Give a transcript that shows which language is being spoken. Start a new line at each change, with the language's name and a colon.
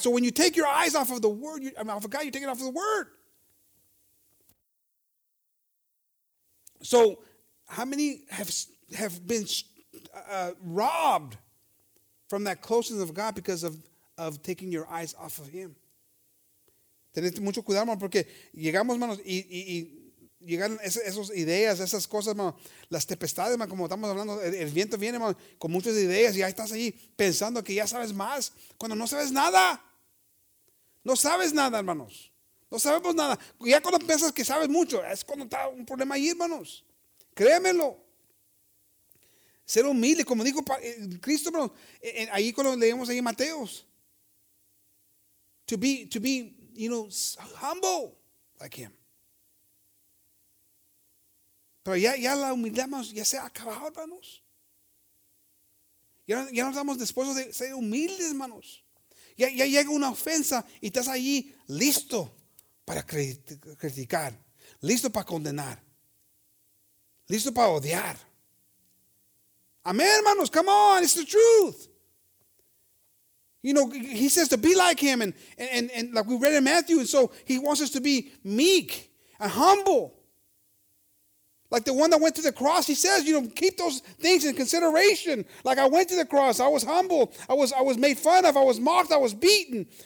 English: So when you take your eyes off of the Word, off of God, you take it off of the Word. So how many have been robbed from that closeness of God because of taking your eyes off of Him?
Spanish: Tened mucho cuidado, hermano, porque llegamos, hermanos, y llegaron esas ideas, esas cosas, hermano, las tempestades, hermano, como estamos hablando, el viento viene, hermano, con muchas ideas y ya estás ahí pensando que ya sabes más, cuando no sabes nada. No sabes nada, hermanos. No sabemos nada. Ya cuando piensas que sabes mucho, es cuando está un problema ahí, hermanos. Créemelo. Ser humilde, como dijo Cristo, hermano, ahí cuando leemos ahí Mateos.
English: To be, you know, humble like him.
Spanish: Pero ya la humildad, hermanos, ya se ha acabado, hermanos. Ya no estamos dispuestos de ser humildes, hermanos. Ya llega una ofensa y estás allí listo para criticar, listo para condenar, listo para odiar. Amén, hermanos,
English: come on, it's the truth. You know, he says to be like him and like we read in Matthew, and so he wants us to be meek and humble. Like the one that went to the cross, he says, you know, keep those things in consideration. Like I went to the cross, I was humble, I was made fun of, I was mocked, I was beaten.